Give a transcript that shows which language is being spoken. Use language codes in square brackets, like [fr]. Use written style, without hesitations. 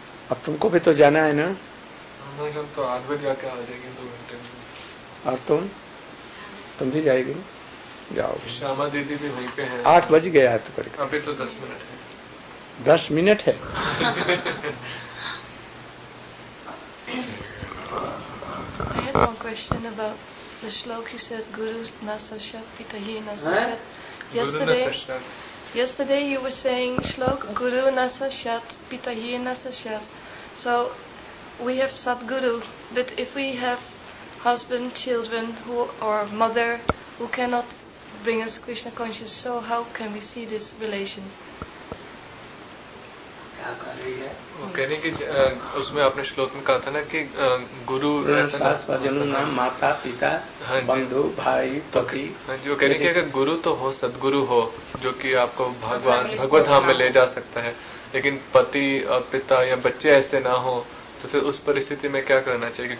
[hi] अब तुमको भी तो जाना है ना. हम तो 8 बजे आके आ जाएंगे 2 घंटे में. और तुम भी जाएगी जाओ. श्यामा दीदी भी वहीं पे हैं. 8 बज गया है तो करके अभी तो 10 मिनट से. 10 मिनट है. [en] I had one question about the shloka you said, Guru Nasashat Pitahi Nasashat. Yesterday you were saying shloka Guru Nasashat Pitahi Nasashat. So we have Sadguru, but if we have husband, children, who or mother who cannot bring us Krishna conscious, so how can we see this relation? [hi] वो कहने की उसमें आपने श्लोक में कहा था ना कि गुरु स्वजनों ना माता पिता बंधु भाई पति. जो कहने की अगर गुरु तो हो, सदगुरु हो जो कि आपको भगवान भगवत धाम में ले जा सकता है, लेकिन पति पिता या बच्चे ऐसे ना हो तो फिर उस परिस्थिति में क्या करना चाहिए.